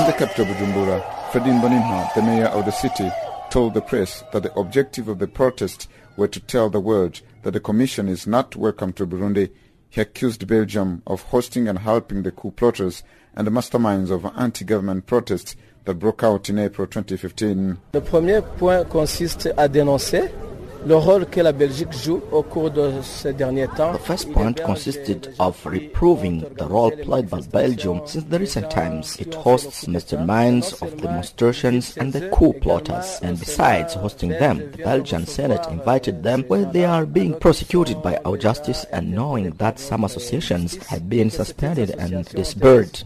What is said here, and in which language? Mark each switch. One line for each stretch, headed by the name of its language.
English: In the capital, Bujumbura, Fredy Mbonimpa, the mayor of the city, told the press that the objective of the protest were to tell the world that the commission is not welcome to Burundi. He accused Belgium of hosting and helping the coup plotters and the masterminds of anti-government protests that broke out in April 2015.
French: Le premier point consiste à dénoncer le rôle que la Belgique joue au cours de ces derniers temps.
English: The first point consisted of reproving the role played by Belgium since the recent times. It hosts masterminds of demonstrations and the coup plotters. And besides hosting them, the Belgian Senate invited them where they are being prosecuted by our justice and knowing that some associations have been suspended and disbarred.